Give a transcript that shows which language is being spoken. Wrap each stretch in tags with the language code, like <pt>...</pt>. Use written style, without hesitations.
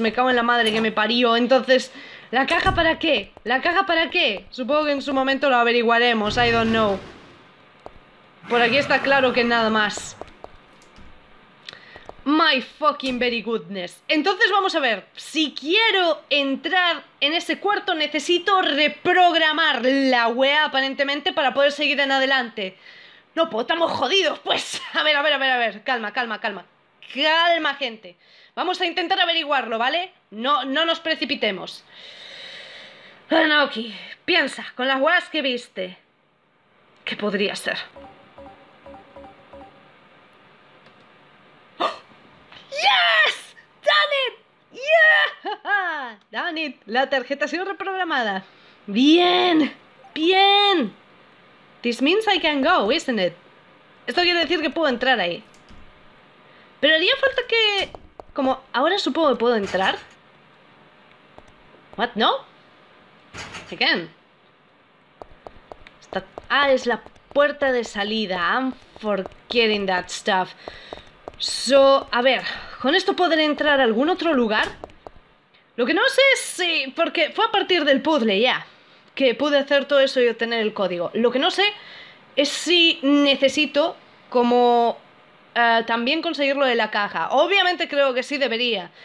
<es>Me cago en la madre que me parió. Entonces, ¿la caja para qué? ¿La caja para qué? Supongo que en su momento lo averiguaremos.</es> <en>I don't know.</en> <es>Por aquí está claro que nada más.</es> <en>My fucking very goodness.</en> <es>Entonces vamos a ver. Si quiero entrar en ese cuarto, necesito reprogramar la wea aparentemente para poder seguir en adelante. No puedo, estamos jodidos, pues. A ver, a ver, a ver, a ver. Calma, calma, calma. Calma, gente. Vamos a intentar averiguarlo, ¿vale? No, no nos precipitemos. Anoki, piensa, con las weas que viste, ¿qué podría ser?</es> <en>¡Yes! ¡Done it! ¡Yeah! ¡Done it!</en> <es>La tarjeta ha sido reprogramada. ¡Bien! ¡Bien!</es> <en>This means I can go, isn't it?</en> <es>Esto quiere decir que puedo entrar ahí. Pero haría falta que... Como ahora supongo que puedo entrar.</es> <en>What?</en> <es>¿No?</es> <en>Again.</en> <es>Esta... Ah, es la puerta de salida.</es> <en>I'm forgetting that stuff.</en> <es>So, a ver, ¿con esto podré entrar a algún otro lugar? Lo que no sé es si... Porque fue a partir del puzzle, ya. Que pude hacer todo eso y obtener el código. Lo que no sé es si necesito como... también conseguirlo de la caja. Obviamente creo que sí debería.</es>